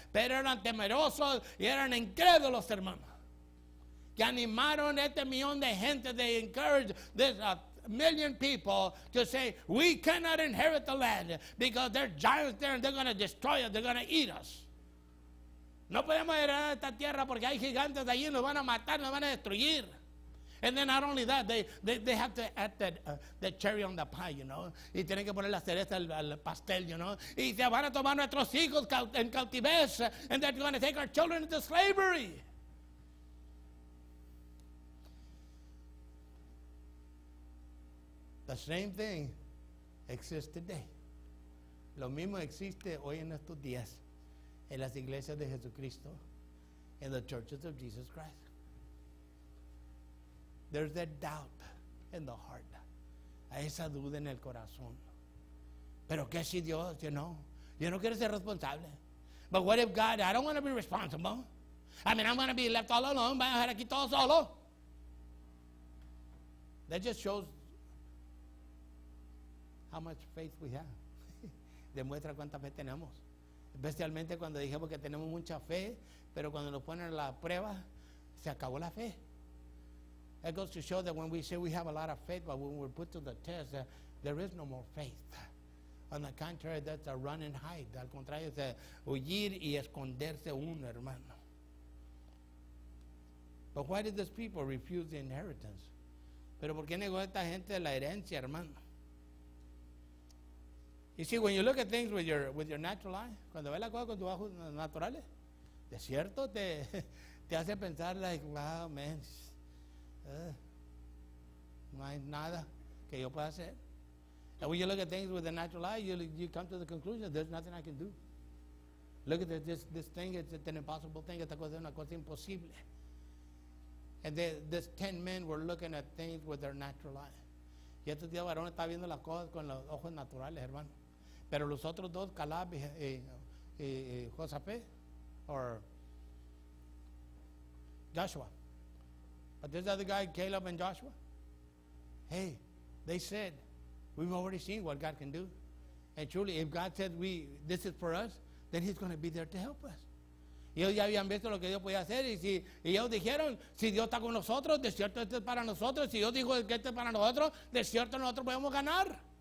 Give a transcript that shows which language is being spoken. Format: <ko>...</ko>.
<es>Pero eran temerosos y eran incrédulos, hermano. Que animaron este millón de gente.</es> <en>They encouraged this million people to say, we cannot inherit the land because there are giants there and they're going to destroy us. They're going to eat us.</en> <es>No podemos heredar esta tierra porque hay gigantes allí. Nos van a matar, nos van a destruir.</es> <en>And then not only that, they have to add the cherry on the pie, you know.</en> <es>Y tienen que poner la cereza al pastel,</es> <en>you know.</en> <es>Y se van a tomar nuestros hijos en cautivez.</es> <en>And they're going to take our children into slavery. The same thing exists today.</en> <es>Lo mismo existe hoy en estos días en las iglesias de Jesucristo,</es> <en>in the churches of Jesus Christ. There's that doubt in the heart.</en> <es>Hay esa duda en el corazón. Pero qué si Dios,</es> <en>you know.</en> <es>Yo no quiero ser responsable.</es> <en>But what if God, I don't want to be responsible. I mean, I'm going to be left all alone.</en> <es>Voy a dejar aquí todo solo.</es> <en>That just shows how much faith we have.</en> <es>Demuestra cuánta fe tenemos. Especialmente cuando dijimos que tenemos mucha fe. Pero cuando nos ponen a la prueba, se acabó la fe.</es> <en>That goes to show that when we say we have a lot of faith, but when we're put to the test, there is no more faith. On the contrary, that's a run and hide.</en> <es>Al contrario, es huir y esconderse uno, hermano.</es> <en>But why did these people refuse the inheritance?</en> <es>Pero ¿por qué negó esta gente la herencia, hermano?</es> <en>You see, when you look at things with your natural eye,</en> <es>cuando ves la cosa con tus ojos naturales, de cierto te hace pensar</es> <en>like, wow, man,</en> <es>no hay nada que yo pueda hacer.</es> <en>And when you look at things with the natural eye, you come to the conclusion there's nothing I can do. Look at this thing, it's an impossible thing.</en> <es>Esta cosa es una cosa imposible.</es> <en>And these 10 men were looking at things with their natural eye.</en> <es>Y estos 10 varones están viendo las cosas con los ojos naturales, hermano. Pero los otros dos, Calab y Josapé, or Joshua.</es> <en>But this other guy, Caleb and Joshua, hey, they said, we've already seen what God can do. And truly, if God said this is for us, then he's going to be there to help us.</en> <es>Y ellos ya habían visto lo que Dios podía hacer. Y ellos dijeron, si Dios está con nosotros, de cierto este es para nosotros. Si Dios dijo que este es para nosotros, de cierto nosotros podemos ganar.</es>